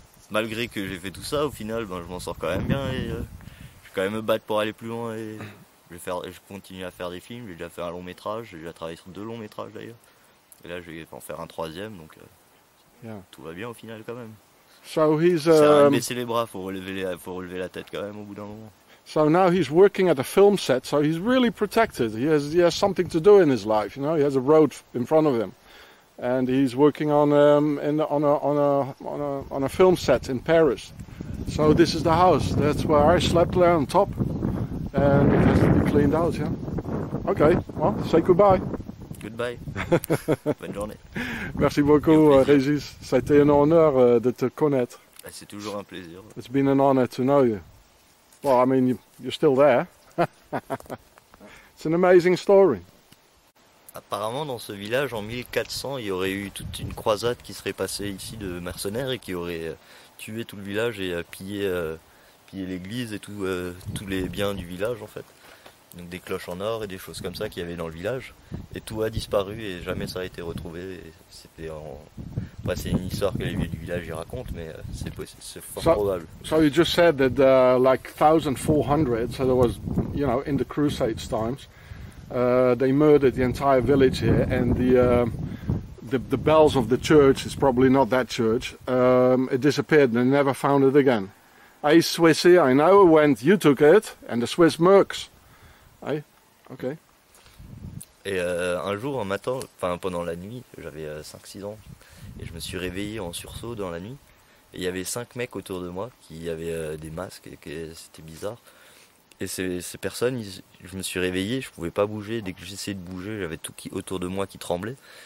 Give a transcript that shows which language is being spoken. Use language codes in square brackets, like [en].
[fr] Malgré que j'ai fait tout ça, au final, ben, je m'en sors quand même bien et je vais quand même me battre pour aller plus loin et je continue à faire des films. J'ai déjà fait un long métrage, j'ai déjà travaillé sur 2 longs métrages d'ailleurs. Et là, je vais en faire un 3e, donc tout va bien au final quand même. [en] So he's [fr] baisser les bras, faut relever la tête quand même au bout d'un moment. [en] So now he's working at a film set, so he's really protected. He has something to do in his life, you know. He has a road in front of him, and he's working on a film set in Paris. So this is the house. That's where I slept there on top, and it has to be cleaned out. Yeah. Okay. Well, say goodbye. Goodbye. [fr] Bonne journée. Merci beaucoup, Régis. Ça a été un honneur de te connaître. C'est toujours un plaisir. [en] It's been an honor to know you. Well, I mean, you're still there. It's an amazing story. [fr] Apparemment, dans ce village, en 1400, il y aurait eu toute une croisade qui serait passée ici de mercenaires et qui aurait tué tout le village et pillé l'église et tous les biens du village, en fait. Donc des cloches en or et des choses comme ça qu'il y avait dans le village. Et tout a disparu et jamais ça a été retrouvé. Enfin, c'est une histoire que les vieux du village y racontent, mais c'est fort probable. [en] So you just said that like 1400, so there was, you know, in the Crusades times, they murdered the entire village here, and the bells of the church, it's probably not that church, it disappeared and they never found it again. Hey, Swissy, I know when you took it, and the Swiss mercs. Hey, okay. [fr] Et un jour, un matin, enfin pendant la nuit, j'avais 5-6 ans, et je me suis réveillé en sursaut dans la nuit, et il y avait 5 mecs autour de moi qui avaient des masques, et c'était bizarre. Et ces personnes, je me suis réveillé, je pouvais pas bouger, dès que j'essayais de bouger, j'avais tout autour de moi qui tremblait.